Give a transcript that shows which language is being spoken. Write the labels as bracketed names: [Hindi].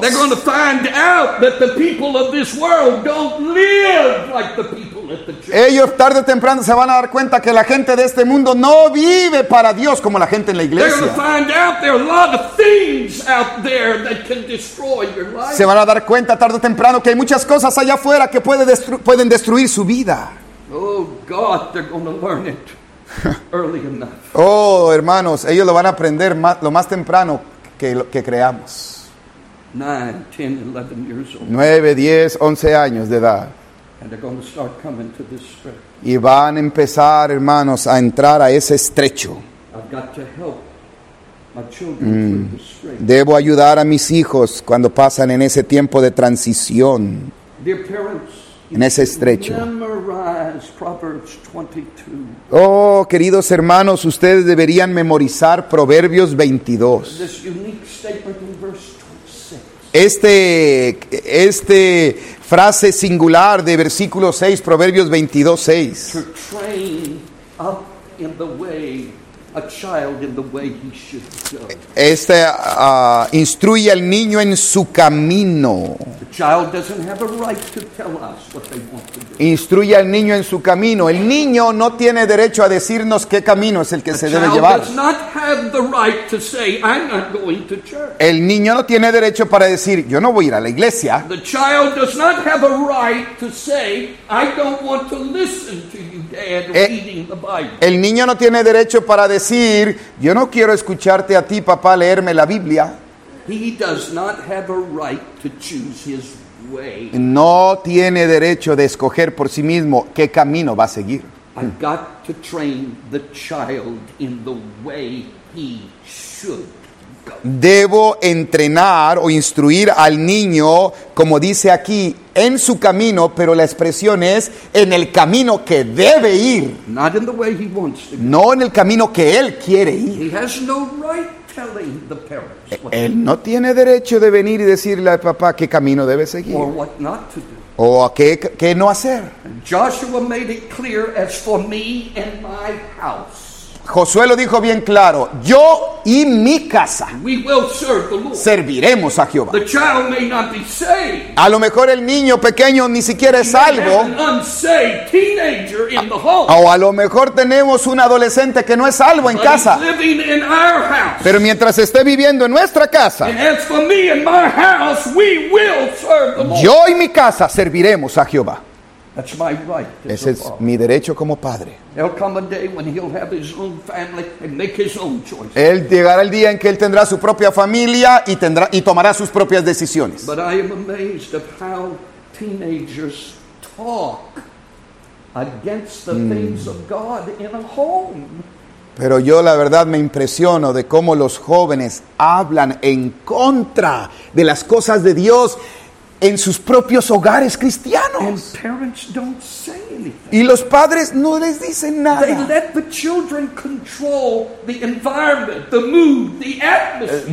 [English] They're going to find out that the people of this world don't live like the people at the church. [Spanish] Ellos tarde o temprano se van a dar cuenta que la gente de este mundo no vive para Dios como la gente en la iglesia. [English] They're going to find out there are a lot of things out there that can destroy your life. [Spanish] Se van a dar cuenta tarde o temprano que hay muchas cosas allá afuera que pueden destruir su vida. [English] Oh God, they're going to learn it. Early enough. [Spanish] Oh, hermanos, ellos lo van a aprender lo más temprano que creamos. [English] 9, 10, 11 years old. [Spanish] 9, 10, 11 años de edad. [English] And they're going to start coming to this stretch. [Spanish] Y van a empezar, hermanos, a entrar a ese estrecho. [English] I've got to help my children through the stretch. [Spanish] Debo ayudar a mis hijos cuando pasan en ese tiempo de transición. [English] Dear parents, [Spanish] en ese estrecho. [English] Proverbs 22. [Spanish] Oh, queridos hermanos, ustedes deberían memorizar Proverbios 22. [English] This unique statement in verse 26. [Spanish] Este frase singular de versículo 6, Proverbios 22, 6. [English] To train up in the way a child in the way he should go. [Spanish] Este instruye al niño en su camino. [English] The child doesn't have a right to tell us what they want to do. [Spanish] Instruye al niño en su camino. El niño no tiene derecho a decirnos qué camino es el que a se debe llevar. [English] The child does not have the right to say, I'm not going to church. [Spanish] El niño no tiene derecho para decir, yo no voy a ir a la iglesia. [English] The child does not have a right to say, I don't want to listen to you, Dad, reading the Bible. [Spanish] El niño no tiene derecho para decir, yo no quiero escucharte a ti, papá, leerme la Biblia. [English] He does not have a right to choose his way. [Spanish] No tiene derecho de escoger por sí mismo qué camino va a seguir. [English] I've got to train the child in the way he should go. [Spanish] Debo entrenar o instruir al niño, como dice aquí, en su camino, pero la expresión es en el camino que debe ir. [English] Not in the way he wants to go. [Spanish] No en el camino que él quiere ir. [English] He has no right. Telling the parents what [Spanish] él no tiene derecho de venir y decirle al papá qué camino debe seguir. [English] Or what not to do. [Spanish] O a qué no hacer. [English] Joshua made it clear as for me and my house. [Spanish] Josué lo dijo bien claro. Yo y mi casa. [English] We will serve the Lord. [Spanish] Serviremos a Jehová. [English] The child may not be saved. [Spanish] A lo mejor el niño pequeño ni siquiera es salvo. [English] He may have an unsaved teenager in the home. [Spanish] O a lo mejor tenemos un adolescente que no es salvo en casa. [English] But he's living in our house. [Spanish] Pero mientras esté viviendo en nuestra casa. [English] And as for me and my house, we will serve the Lord. [Spanish] Yo y mi casa serviremos a Jehová. [English] That's my right. [Spanish] Ese es mi derecho como padre. [English] There'll come a day when he'll have his own family and make his own choices. [Spanish] Él llegará el día en que él tendrá su propia familia y tendrá y tomará sus propias decisiones. [English] But I am amazed at how teenagers talk against the things of God in a home. [Spanish] Pero yo la verdad me impresiono de cómo los jóvenes hablan en contra de las cosas de Dios en sus propios hogares cristianos. [English] And parents don't say anything. [Spanish] Y los padres no les dicen nada. [English] They let the children control the environment, the mood, the atmosphere.